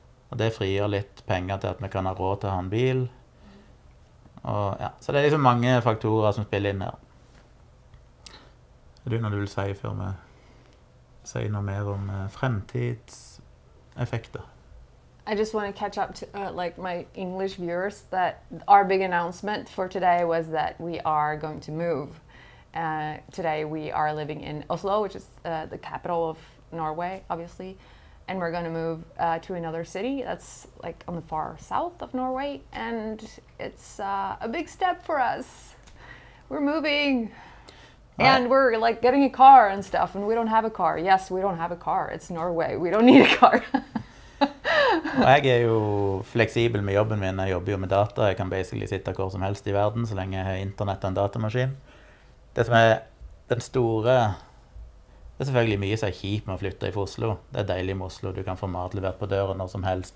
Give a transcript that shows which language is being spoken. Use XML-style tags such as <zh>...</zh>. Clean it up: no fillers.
<no>Og det frigjør litt penger til at vi kan ha råd til å ha en bil. Og, ja. Så det er liksom mange faktorer som spiller inn her. Er det noe du vil si før vi sier noe mer om fremtidseffekter?</no> <en>I just want to catch up to like my English viewers that our big announcement for today was that we are going to move. Today we are living in Oslo, which is the capital of Norway, obviously. And we're going to move to another city that's like on the far south of Norway. And it's a big step for us. We're moving. Well, and we're like getting a car and stuff. And we don't have a car. Yes, we don't have a car. It's Norway. We don't need a car.</en> <no>Og jeg er jo fleksibel med jobben min. Jeg jobber jo med data. Jeg kan basically sitte hvor som helst i verden, så lenge jeg har internett og en datamaskin. Det som er den store... Det er selvfølgelig mye som er kjipt med å flytte i Oslo. Det er deilig med Oslo. Du kan få mat levert på døren når som helst.</no>